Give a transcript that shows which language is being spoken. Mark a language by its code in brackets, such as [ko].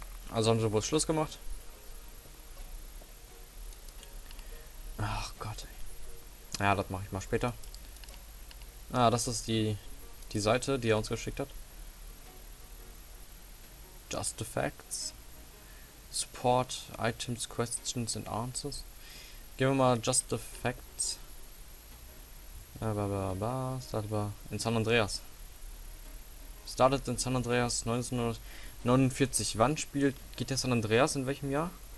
[de] Also haben sie wohl Schluss gemacht. Ach Gott, ey. Ja, das mache ich mal später. Ah, das ist die Seite, die er uns geschickt hat. [en] Just the facts. Support, items, questions and answers. [de] Gehen wir mal Just the Facts. In San Andreas. [en] Started in San Andreas 1949. [de] Wann spielt GTA San Andreas? In welchem Jahr?